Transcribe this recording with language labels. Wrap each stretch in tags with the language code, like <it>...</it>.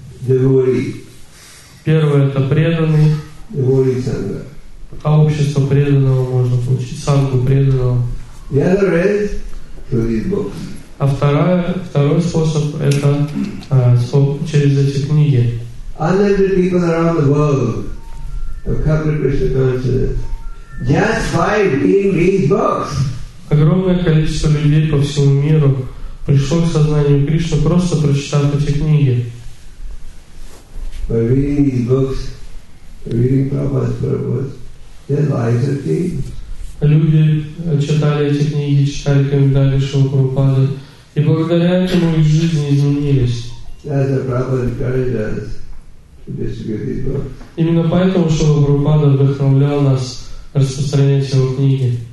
<en>Devotee.</en> <ru>Первое это преданный.</ru> <en>Devotee sangha.</en> <ru>А общество преданного можно получить, сангу преданного.</ru> <en>The other is through these books.</en> <ru>А второй способ это через эти книги.</ru> <en>Unlimited people around the world have come to Krishna consciousness just by reading these books.</en> <ru>Огромное количество людей по всему миру пришло к сознанию Кришны просто прочитав эти книги.</ru> <en>By reading these books, reading Prabhupada's purpose, their lives are changed.</en> <ru>Люди читали эти книги, читали комментарии Шрилы Прабхупады, и благодаря этому их жизни изменились. Именно поэтому Шрила Прабхупада вдохновлял нас распространять его книги.</ru>